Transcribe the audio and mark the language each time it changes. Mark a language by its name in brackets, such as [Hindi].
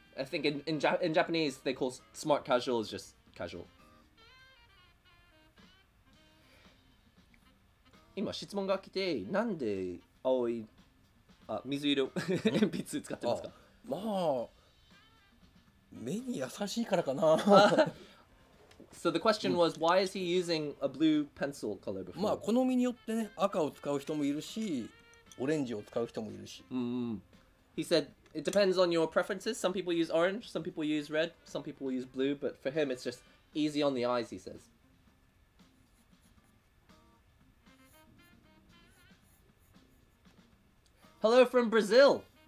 [English] I think in Japanese they call smart casual just casual. [Japanese] 今質問が来て、なんで青い、あ、水色鉛筆使ってますか? まあ、 [English] So the question was, why is he using a blue pencil color before? [Japanese] まあ、好みによってね、赤を使う人もいるし、オレンジを使う人もいるし。 [English] He said, it depends on your preferences. Some people use orange, some people use red, some people use blue, but for him, it's just easy on the eyes, he says. Hello from Brazil!